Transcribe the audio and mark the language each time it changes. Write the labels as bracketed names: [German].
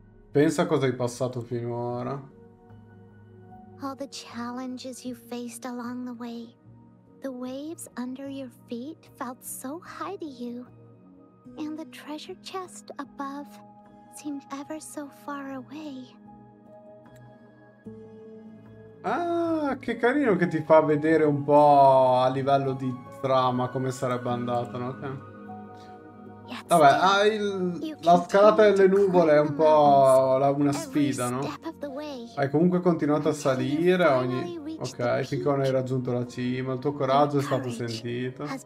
[Italian] Pensa a cosa hai passato finora. [English] All the challenges you faced along the way. The waves under your feet felt so high to you. And the treasure chest above seemed ever so far away. [Italian] Ah, che carino che ti fa vedere un po' a livello di trama come sarebbe andata, no? Vabbè, la scalata delle nuvole è un po' una sfida, no? Hai comunque continuato a salire ogni... Ok, finché non hai raggiunto la cima, il tuo coraggio è stato sentito.